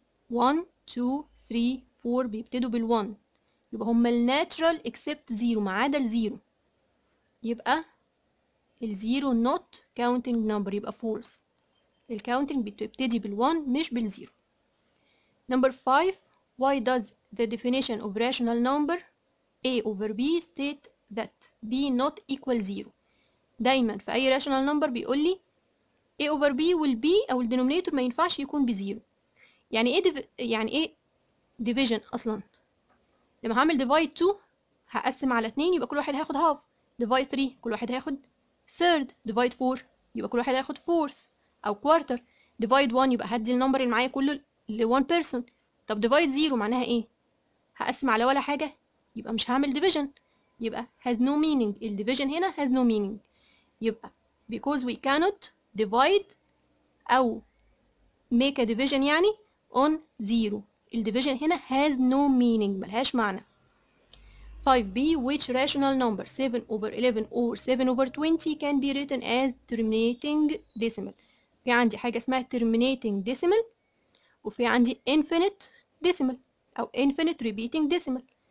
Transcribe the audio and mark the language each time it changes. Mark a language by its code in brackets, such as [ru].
[ar] 1 2 3 4 بيبتدوا بال 1 يبقى هما natural except 0 ما عدا ال 0 يبقى ال 0 not counting number يبقى false الكاونتنج بتبتدي بال1 مش بال0 نمبر 5 [en] why does the definition of rational number a over b state that b not equal 0. [ar] دايما في اي rational number بيقول لي a over b will be او الدينومينيتور ما ينفعش يكون بزيرو. يعني ايه division اصلا؟ لما هعمل divide 2 هقسم على 2 يبقى كل واحد هياخد half، divide 3 كل واحد هياخد third، divide 4 يبقى كل واحد هياخد fourth او quarter، divide 1 يبقى هدي النمبر اللي معايا كله ل 1 person. طب divide 0 معناها ايه؟ هقسم على ولا حاجة يبقى مش هعمل division، يبقى [en] has no meaning. ال division هنا has no meaning، يبقى because we cannot divide او make a division يعني on 0. [ar] ال division هنا [en] has no meaning، [ar] ملهاش معنى. [en] 5b which rational number 7 over 11 or 7 over 20 can be written as terminating decimal. [ar] في عندي حاجة اسمها terminating decimal وفي عندي infinite decimal او infinite repeating decimal.